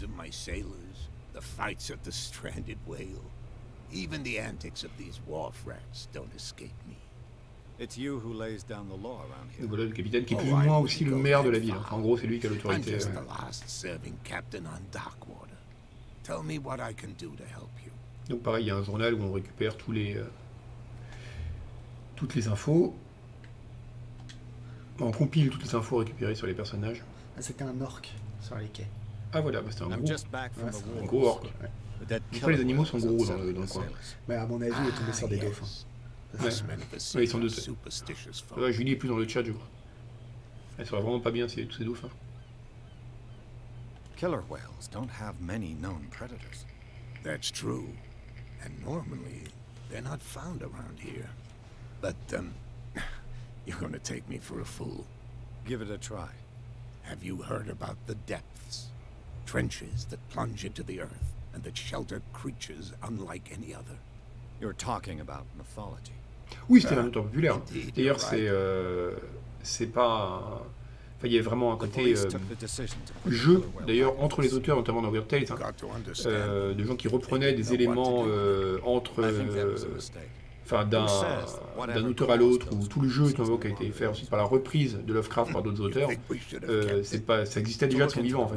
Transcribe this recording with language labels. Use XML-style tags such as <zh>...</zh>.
<en>Sailors, stranded whale, even the antics of these wharf rats don't escape me. It's you who lays down the law around here.</en> <fr>Voilà, le capitaine qui est plus ou moins aussi le maire de la ville. En gros, c'est lui qui a l'autorité.</fr> <en>I'm just the last serving captain on Darkwater. Tell me what I can do to help you.</en> <fr>Donc pareil, il y a un journal où on récupère toutes les infos. On compile toutes les infos récupérées sur les personnages. Ah, c'était un orc sur les quais. Ah voilà, c'était un gros orc. Ouais. Les animaux sont gros dans le coin. Mais à mon avis, il est tombé sur des dauphins. Ouais, ils sont deux. Ouais, Julie est plus dans le chat, je crois. Elle serait vraiment pas bien si tous ces dauphins.</fr> <en>Killer whales don't have many known predators. That's true. And normally, they're not found around here. But you're gonna take me for a fool. Give it a try. Have you heard about the depths, trenches that plunge into the earth and that shelter creatures unlike any other? You're talking about mythology.</en> <fr>Oui, c'était un auteur populaire. D'ailleurs, c'est pas... Enfin, il y a vraiment un côté jeu, d'ailleurs, entre les auteurs, notamment dans Weird Tales, hein, de gens qui reprenaient des éléments entre... Enfin, d'un auteur à l'autre, où tout le jeu qui a été fait ensuite par la reprise de Lovecraft par d'autres auteurs, ça existait déjà de son vivant, en fait.</fr>